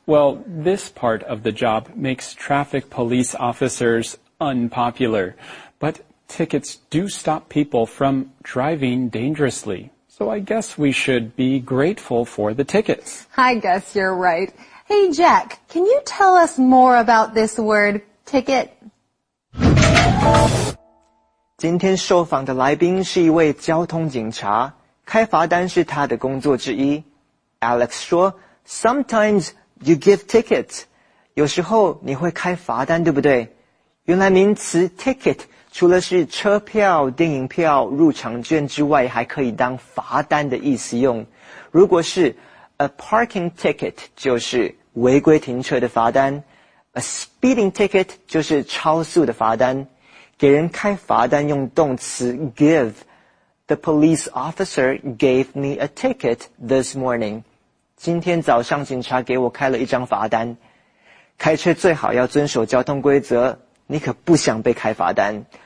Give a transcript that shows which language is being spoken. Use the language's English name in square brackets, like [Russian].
[English] Well, this part of the job makes traffic police officers unpopular. But tickets do stop people from driving dangerously. So I guess we should be grateful for the tickets. I guess you're right. Hey, Jack, can you tell us more about this word, ticket? [Chinese] 今天受访的来宾是一位交通警察，开罚单是他的工作之一。 [English] Alex 说Sometimes you give tickets. [Chinese] 有时候你会开罚单，对不对？原来名词 ticket 除了是车票、电影票、入场券之外，还可以当罚单的意思用。如果是 [English] a parking ticket [Chinese] 就是违规停车的罚单， [English] a speeding ticket [Chinese] 就是超速的罚单。给人开罚单用动词 give. [English] The police officer gave me a ticket this morning. [Chinese] 今天早上警察给我开了一张罚单。开车最好要遵守交通规则，你可不想被开罚单。